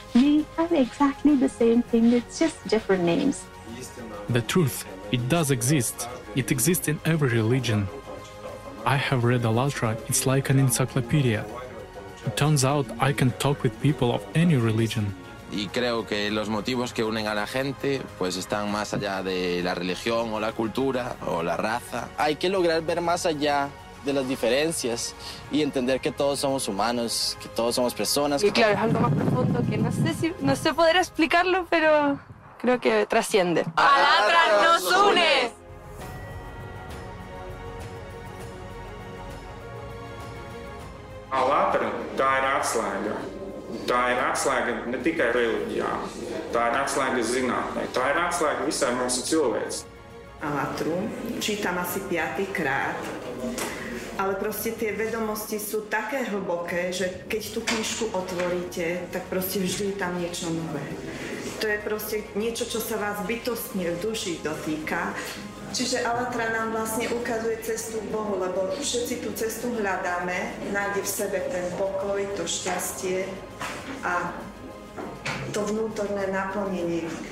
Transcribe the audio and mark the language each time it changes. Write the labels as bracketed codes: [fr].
[en] We have exactly the same thing, it's just different names. The truth, it does exist. It exists in every religion. I have read ALATRA, it's like an encyclopedia. It turns out I can talk with people of any religion. [es] Y creo que los motivos que unen a la gente pues están más allá de la religión o la cultura o la raza. Hay que lograr ver más allá de las diferencias y entender que todos somos humanos, que todos somos personas. Y claro, es algo más profundo que no sé poder explicarlo, pero creo que trasciende. ALATRA nos une. [lv] ALATRA, tā ir atslēga. Tā ir atslēga ne tikai reliģijā, tā ir atslēga zinātnē, tā ir atslēga visai mūsu cilvēks. [sk] Alatru, čítam asi 5. krát, ale proste tie vedomosti sú také hlboké, že keď tú knižku otvoríte, tak proste vždy je tam niečo nové. To je proste niečo, čo sa vás bytostne v duši dotýka. Čiže Alatra nám vlastne ukazuje cestu k Bohu, lebo všetci tú cestu hľadáme, nájde v sebe ten pokoj, to šťastie a to vnútorné naplnenie.